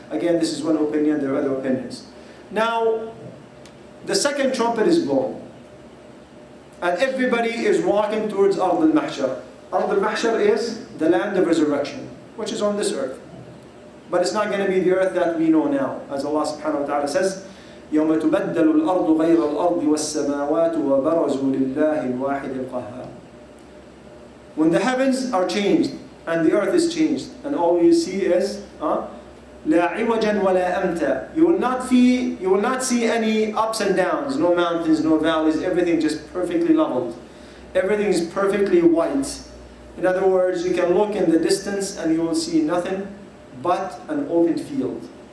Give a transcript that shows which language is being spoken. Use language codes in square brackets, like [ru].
[en] Again, this is one opinion, there are other opinions. Now, the second trumpet is blown, and everybody is walking towards Ard al-Mahshar. Ard al-Mahshar is the land of resurrection, which is on this earth. But it's not going to be the earth that we know now. As Allah subhanahu wa ta'ala says, [ar] يَوْمَ تُبَدَّلُ الْأَرْضُ غَيْرَ الْأَرْضِ وَالسَّمَاوَاتُ وَبَرَزُوا لِلَّهِ الْوَاحِدِ الْقَهَّارِ. [en] When the heavens are changed and the earth is changed, and all you see is [ar] لَا عِوَجًا وَلَا أَمْتَى. [en] You will not see any ups and downs, no mountains, no valleys, everything just perfectly leveled. Everything is perfectly white. In other words, you can look in the distance and you will see nothing but an open field.